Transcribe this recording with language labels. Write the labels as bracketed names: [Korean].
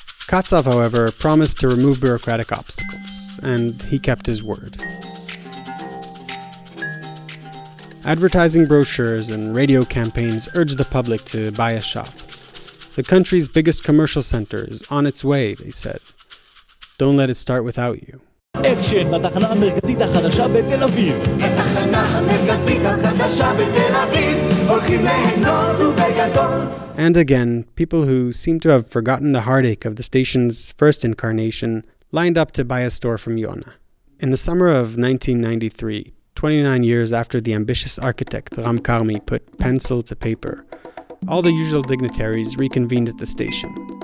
[English] Katsav, however, promised to remove bureaucratic obstacles, and he kept his word. Advertising brochures and radio campaigns urged the public to buy a shop. The country's biggest commercial center is on its way, they said. Don't let it start without you. Action! [Hebrew] התחנה המרכזית החדשה בתל אביב. הולכים להנות ובגדול. [English] And again, people who seem to have forgotten the heartache of the station's first incarnation lined up to buy a store from Yona. In the summer of 1993, 29 years after the ambitious architect Ram Karmi put pencil to paper, all the usual dignitaries reconvened at the station.